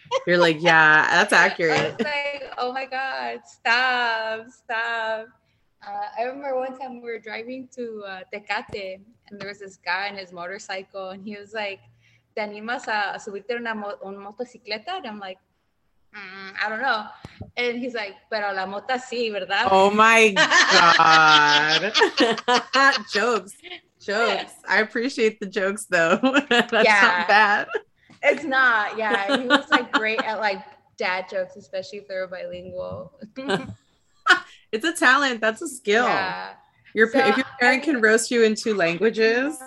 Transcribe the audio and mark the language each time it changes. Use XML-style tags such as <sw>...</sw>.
<en>You're like, yeah, that's accurate. I was like, oh my God, stop. I remember one time we were driving to Tecate, and there was this guy on his motorcycle, and he was like,</en> <es>¿Te animas a subirte una motocicleta?</es> <en>And I'm like, I don't know. And he's like,</en> <es>pero la mota sí, ¿verdad?</es> <en>Oh, my God. Jokes. Jokes. I appreciate the jokes, though. That's yeah. not bad. It's not. Yeah. He was, like, great at, like, dad jokes, especially if they're bilingual. It's a talent. That's a skill. Yeah. If your parent can roast you in two languages.</en>